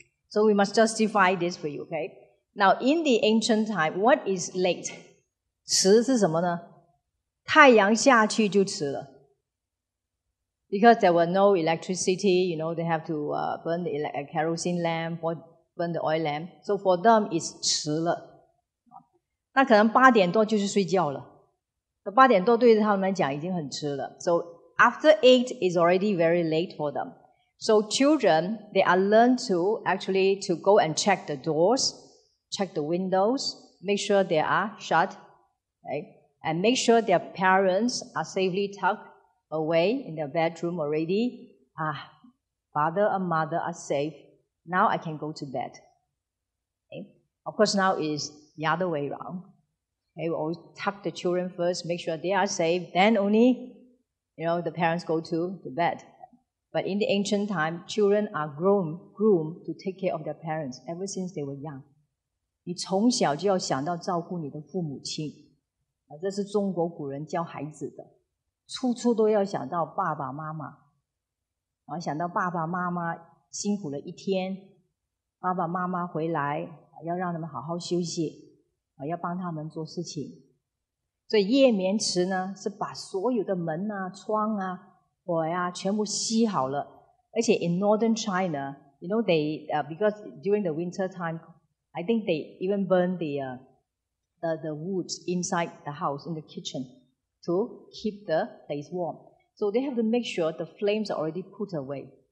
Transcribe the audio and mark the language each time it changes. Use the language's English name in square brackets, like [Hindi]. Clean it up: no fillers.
[English] So we must justify this for you, okay? Now, in the ancient time, what is late? [Chinese] 迟是什么呢?太阳下去就迟了。 [English] Because there were no electricity, you know, they have to burn the kerosene lamp or burn the oil lamp. So for them, it's [Chinese] 迟了. 那可能八点多就是睡觉了。八点多对他们来讲已经很迟了。 [English] So after 8 is already very late for them. So children, they are learned to actually to go and check the doors, check the windows, make sure they are shut, right? And make sure their parents are safely tucked away in their bedroom already. Father and mother are safe. Now I can go to bed. Okay? Of course, now is the other way around. Okay, we always tuck the children first, make sure they are safe, then only, you know, the parents go to the bed. But in the ancient time, children are groomed to take care of their parents ever since they were young. [Chinese] 你从小就要想到照顾你的父母亲, 这是中国古人教孩子的。处处都要想到爸爸妈妈, 想到爸爸妈妈辛苦了一天, 爸爸妈妈回来, 要让他们好好休息, 要帮他们做事情。所以夜眠迟呢, 是把所有的门啊, 窗啊, 火啊, 全部熄好了。而且 [English] in northern China, you know they because during the winter time, I think they even burn the woods inside the house in the kitchen to keep the place warm. So they have to make sure the flames are already put away.